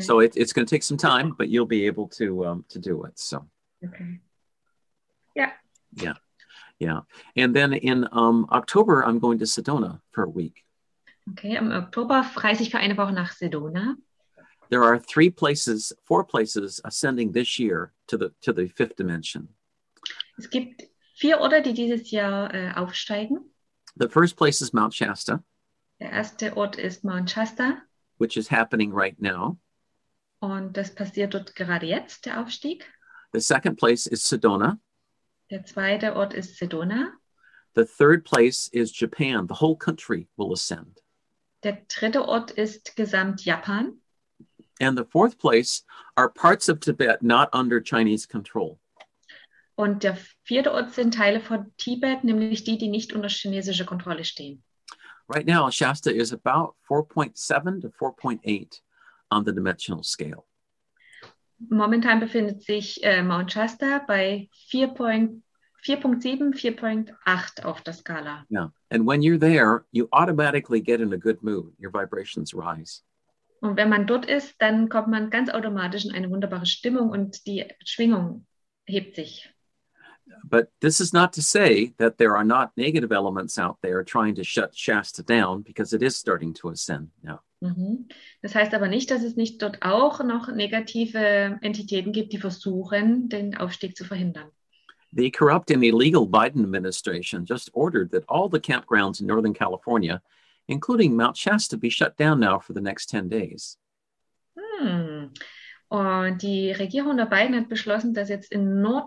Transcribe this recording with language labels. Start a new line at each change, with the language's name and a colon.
English: So it's going to take some time, but you'll be able to do it. So. Okay. Yeah. Yeah. Yeah. And then in October, I'm going to Sedona for a week. Okay.
German: Im Oktober reise ich für eine Woche nach Sedona.
English: There are four places ascending this year to the fifth dimension.
German: Es gibt 4 Orte, die dieses Jahr aufsteigen.
English: The first place is Mount Shasta.
German: Der erste Ort ist Mount Shasta.
English: Which is happening right now.
German: Und das passiert dort gerade jetzt, der Aufstieg.
English: The second place is Sedona.
German: Der zweite Ort ist Sedona.
English: The third place is Japan. The whole country will ascend.
German: Der dritte Ort ist gesamt Japan.
English: And the fourth place are parts of Tibet not under Chinese control.
German: Und der vierte Ort sind Teile von Tibet, nämlich die nicht unter chinesischer Kontrolle stehen.
English: Right now, Shasta is about 4.7 to 4.8 on the dimensional scale.
German: Momentan befindet sich Mount Shasta bei 4.7, 4.8 auf der Skala.
English: Yeah, and when you're there, you automatically get in a good mood. Your vibrations rise.
German: Und wenn man dort ist, dann kommt man ganz automatisch in eine wunderbare Stimmung und die Schwingung hebt sich.
English: But this is not to say that there are not negative elements out there trying to shut Shasta down, because it is starting to ascend now.
German: Das heißt aber nicht, dass es nicht dort auch noch negative Entitäten gibt, die versuchen, den Aufstieg zu verhindern.
English: The corrupt and illegal Biden administration just ordered that all the campgrounds in Northern California, including Mount Shasta, be shut down now for the next 10 days.
German: Und die Regierung der Biden hat beschlossen, dass jetzt in